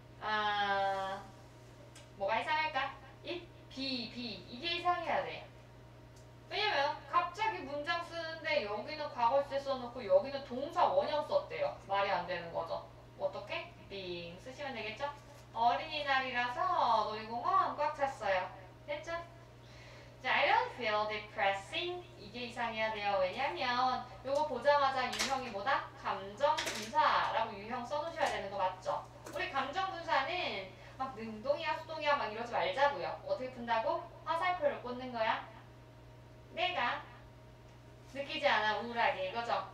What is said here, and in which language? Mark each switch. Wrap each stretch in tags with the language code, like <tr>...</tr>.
<ko>아, 뭐가 이상할까? 비 이게 이상해야 돼. 왜냐면 갑자기 문장 쓰는데 여기는 과거시제 써놓고 여기는 동사 원형 썼대요. 말이 안 되는 거죠. 어떻게? being 쓰시면 되겠죠? 어린이날이라서 놀이공원 꽉 찼어요. 됐죠?</ko> <en>자, I don't feel depressing.</en> <ko>이게 이상해야 돼요. 왜냐면 이거 보자마자 유형이 뭐다? 감정분사라고 유형 써놓으셔야 되는 거 맞죠? 우리 감정분사는 막 능동이야 수동이야 막 이러지 말자고요. 어떻게 푼다고? 화살표를 꽂는 거야. 내가 느끼지 않아 우울하게 이거죠.</ko>